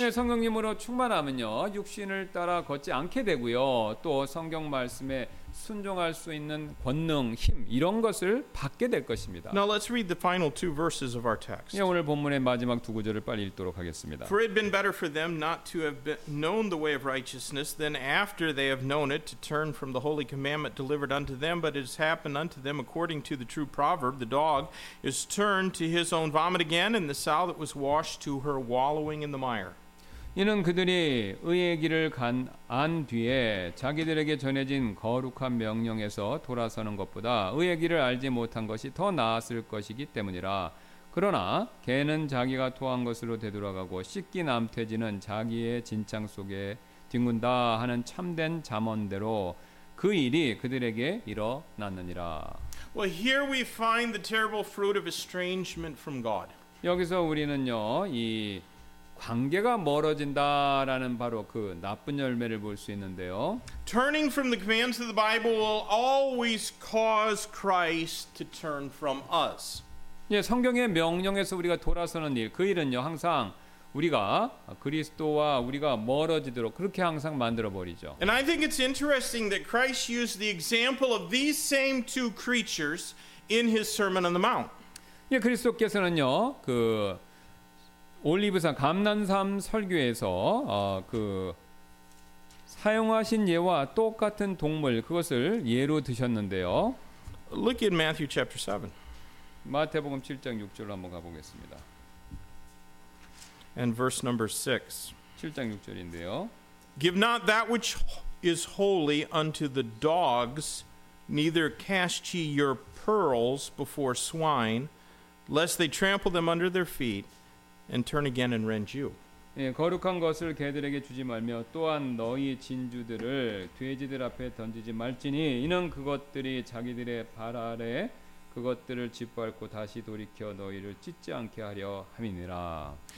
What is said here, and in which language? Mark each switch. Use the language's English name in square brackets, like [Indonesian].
[Korean] 예, 성령님으로 충만하면요 육신을 따라 걷지 않게 되고요 또 성경 말씀에 순종할 수 있는 권능, 힘 이런 것을 받게 될 것입니다. [English] Now let's read the final two verses of our text. [Korean] 예, 오늘 본문의 마지막 두 구절을 빨리 읽도록 하겠습니다. [English] For it had been better for them not to have known the way of righteousness than after they have known it to turn from the holy commandment delivered unto them, but it has happened unto them according to the true proverb, the dog is turned to his own vomit again, and the sow that was washed to her wallowing in the mire. [Korean] 이는 그들이 의의 길을 안 뒤에 자기들에게 전해진 거룩한 명령에서 돌아서는 것보다 의의 길을 알지 못한 것이 더 나았을 것이기 때문이라. 그러나 개는 자기가 토한 것으로 되돌아가고 씻긴 암태지는 자기의 진창 속에 뒹군다 하는 참된 잠언대로 그 일이 그들에게 일어났느니라. [English] Well, here we find the terrible fruit of estrangement from God. [Korean] 여기서 우리는요, 이 관계가 멀어진다라는 바로 그 나쁜 열매를 볼 수 있는데요. [English] Turning from the commands of the Bible will always cause Christ to turn from us. [Korean] 예, 성경의 명령에서 우리가 돌아서는 일, 그 일은요 항상 우리가 그리스도와 우리가 멀어지도록 그렇게 항상 만들어 버리죠. [English] And I think it's interesting that Christ used the example of these same two creatures in his Sermon on the Mount. [Korean] 예, 그리스도께서는요 그 올리브산 감람산 설교에서 그 사용하신 예와 똑같은 동물 그것을 예로 드셨는데요. [English] Look in Matthew chapter 7. [Korean] 마태복음 7장 6절로 한번 가보겠습니다. [English] And verse number 6. [Korean] 7장 6절인데요. [English] Give not that which is holy unto the dogs, neither cast ye your pearls before swine, lest they trample them under their feet. And turn again and rend you. [Korean] 예, 거룩한 것을 개들에게 주지 말며 또한 너희 진주들을 돼지들 앞에 던지지 말지니 이는 그것들이 자기들의 발 아래 그것들을 짓밟고 다시 돌이켜 너희를 찢지 않게 하려 함이니라.